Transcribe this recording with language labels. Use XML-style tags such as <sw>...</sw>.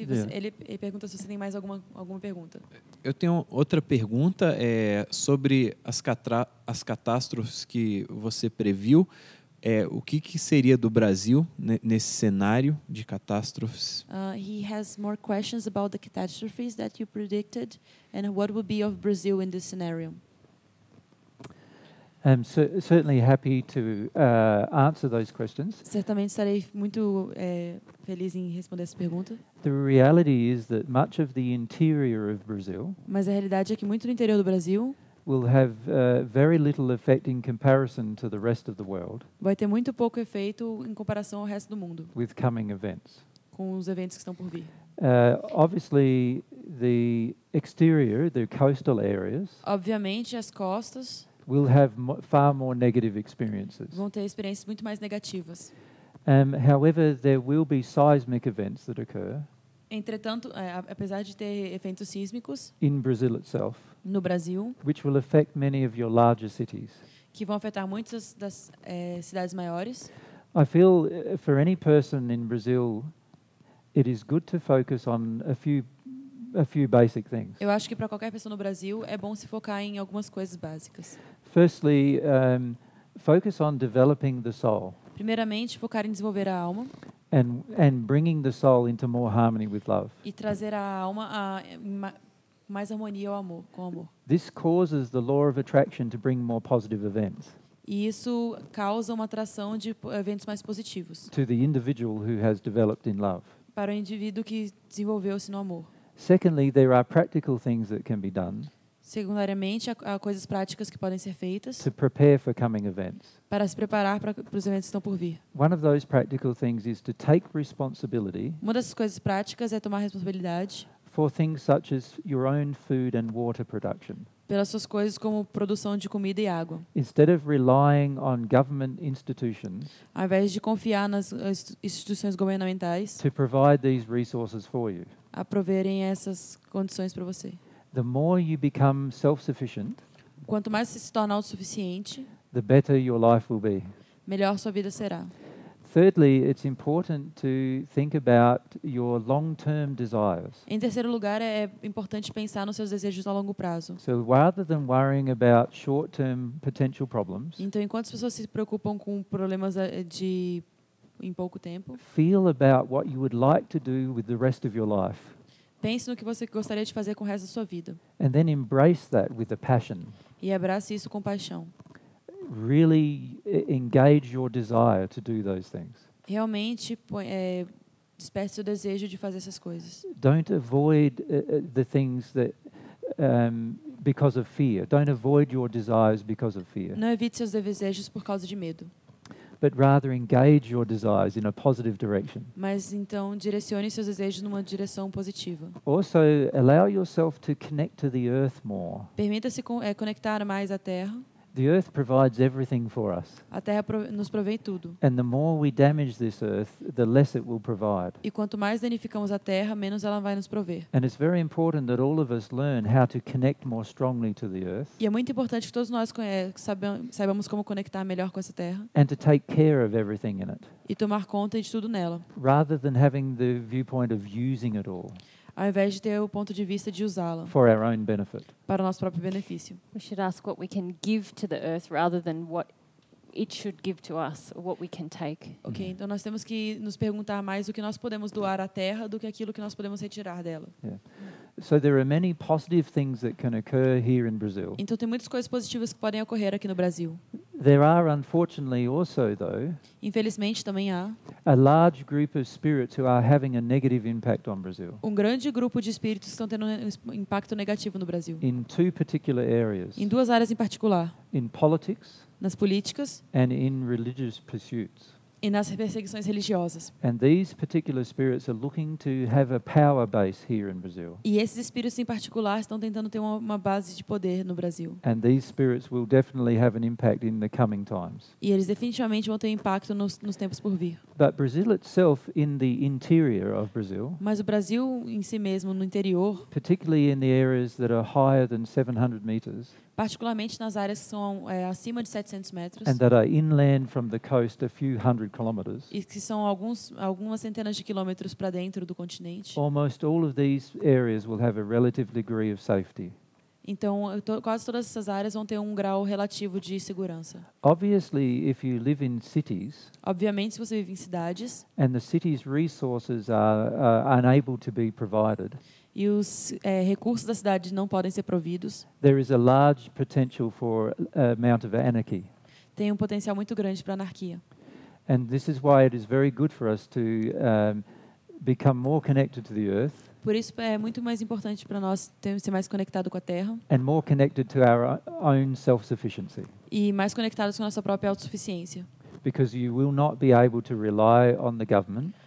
<pt>Ele pergunta se você tem mais alguma pergunta. Eu tenho outra pergunta sobre as catástrofes que você previu. O que seria do Brasil nesse cenário de catástrofes?</pt> <en>He has more questions about the catastrophes that you predicted and what would be of Brazil in this scenario. I'm certainly happy to answer those questions.</en> <pt>Certamente estarei muito feliz em responder essa pergunta.</pt> <en>The reality is that much of the interior of Brazil.</en> <pt>Mas a realidade é que muito do interior do Brasil</pt> <en>will have very little effect in comparison to the rest of the world.</en> <pt>Vai ter muito pouco efeito em comparação ao resto do mundo.</pt> <en>With coming events.</en> <pt>Com os eventos que estão por vir.</pt> <en>Obviously, the exterior, the coastal areas.</en> <pt>Obviamente, as costas.</pt> <en>Will have far more negative experiences.</en> <pt>Vão ter experiências muito mais negativas.</pt> <en>However, there will be seismic events that occur.</en> <pt>Entretanto, apesar de ter eventos sísmicos.</pt> <en>In Brazil itself.</en> <pt>No Brasil.</pt> <en>Which will affect many of your larger cities.</en> <pt>Que vão afetar muitas das cidades maiores.</pt> <en>I feel for any person in Brazil, it is good to focus on a few basic things.</en> <pt>Eu acho que para qualquer pessoa no Brasil é bom se focar em algumas coisas básicas.</pt> <en>Firstly, focus on developing the soul.</en> <pt>Primeiramente, focar em desenvolver a alma.</pt> <en>And bringing the soul into more harmony with love.</en> <pt>E trazer a alma a mais harmonia ao amor, com o amor.</pt> <en>This causes the law of attraction to bring more positive events.</en> <pt>E isso causa uma atração de eventos mais positivos.</pt> <en>To the individual who has developed in love.</en> <pt>Para o indivíduo que desenvolveu-se no amor.</pt> <en>Secondly, there are practical things that can be done.</en> <pt>Secundariamente, há coisas práticas que podem ser feitas.</pt> <en>To prepare for coming events.</en> <pt>Para se preparar para os eventos que estão por vir.</pt> <en>One of those practical things is to take responsibility.</en> <pt>Uma dessas coisas práticas é tomar responsabilidade.</pt> <en>For things such as your own food and water production.</en> <pt>Pelas suas coisas como produção de comida e água.</pt> <en>Instead of relying on government institutions.</en> <pt>Ao invés de confiar nas instituições governamentais.</pt> <en>To provide these resources for you.</en> <pt>A proverem essas condições para você.</pt> <en>The more you become self-sufficient,</en> <pt>quanto mais você se torna autossuficiente,</pt> <en>the better your life will be.</en> <pt>Melhor sua vida será.</pt> <en>Thirdly, it's important to think about your long-term desires.</en> <pt>Em terceiro lugar, é importante pensar nos seus desejos a longo prazo.</pt> <en>So rather than worrying about short-term potential problems,</en> <pt>então, enquanto as pessoas se preocupam com problemas de em pouco tempo.</pt> <en>Feel about what you would like to do with the rest of your life.</en> <pt>Pense no que você gostaria de fazer com o resto da sua vida.</pt> <en>And then embrace that with a passion.</en> <pt>E abrace isso com paixão.</pt> <en>Really engage your desire to do those things.</en> <pt>Realmente desperte o desejo de fazer essas coisas.</pt> <en>Don't avoid the things that because of fear. Don't avoid your desires because of fear.</en> <pt>Não evite seus desejos por causa de medo.</pt> <en>But rather engage your desires in a positive direction.</en> <pt>Mas então direcione seus desejos numa direção positiva.</pt> <en>Also allow yourself to connect to the earth more.</en> <pt>Permita-se conectar mais à terra.</pt> <en>The earth provides everything for us.</en> <pt>A terra nos provém tudo.</pt> <en>And the more we damage this earth, the less it will provide.</en> <pt>E quanto mais danificamos a terra, menos ela vai nos prover.</pt> <en>And it's very important that all of us learn how to connect more strongly to the earth.</en> <pt>E é muito importante que todos nós saibamos como conectar melhor com essa terra.</pt> <en>And to take care of everything in it.</en> <pt>E tomar conta de tudo nela.</pt> <en>Rather than having the viewpoint of using it all.</en> <pt>Ao invés de ter o ponto de vista de usá-la</pt> <en>for our own benefit.</en> <pt>Para o nosso próprio benefício.</pt> <en>We should ask what we can give to the earth rather than what it should give to us or what we can take.</en> <pt>Okay, então nós temos que nos perguntar mais o que nós podemos doar à terra do que aquilo que nós podemos retirar dela. Yeah.</pt> <en>So there are many positive things that can occur here in Brazil.</en> <pt>Então tem muitas coisas positivas que podem ocorrer aqui no Brasil.</pt> <en>There are unfortunately also though.</en> <pt>Infelizmente também há.</pt> <en>A large group of spirits who are having a negative impact on Brazil.</en> <pt>Um grande grupo de espíritos que estão tendo um impacto negativo no Brasil.</pt> <en>In two particular areas.</en> <pt>Em duas áreas em particular.</pt> <en>In politics.</en> <pt>Nas políticas.</pt> <en>And in religious pursuits.</en> <pt>E nas perseguições religiosas.</pt> <en>And these particular spirits are looking to have a power base here in Brazil.</en> <pt>E esses espíritos em particular estão tentando ter uma base de poder no Brasil.</pt> <en>And these spirits will definitely have an impact in the coming times.</en> <pt>E eles definitivamente vão ter impacto nos tempos por vir.</pt> <en>But Brazil itself in the interior of Brazil.</en> <pt>Mas o Brasil em si mesmo no interior.</pt> <en>Particularly in the areas that are higher than 700 meters.</en> <pt>Particularmente nas áreas que são acima de 700 metros.</pt> <en>And that are inland from the coast a few hundred kilometers.</en> <pt>E que são algumas centenas de quilômetros para dentro do continente.</pt> <en>Almost all of these areas will have a relative degree of safety.</en> <pt>Então, quase todas essas áreas vão ter um grau relativo de segurança.</pt> <en>Obviously, if you live in cities,</en> <pt>obviamente, se você vive em cidades,</pt> <en>and the city's resources are unable to be provided,</en> <pt>e os recursos da cidade não podem ser providos,</pt> <en>there is a large potential for amount of anarchy.</en> <pt>Tem um potencial muito grande para anarquia.</pt> <en>And this is why it is very good for us to become more connected to the earth.</en> <pt>Por isso é muito mais importante para nós ser mais conectado com a terra.</pt> <en>And more connected to our own self-sufficiency.</en> <pt>E mais conectados com a nossa própria autossuficiência.</pt> <en>Because you will not be able to rely on the government.</en>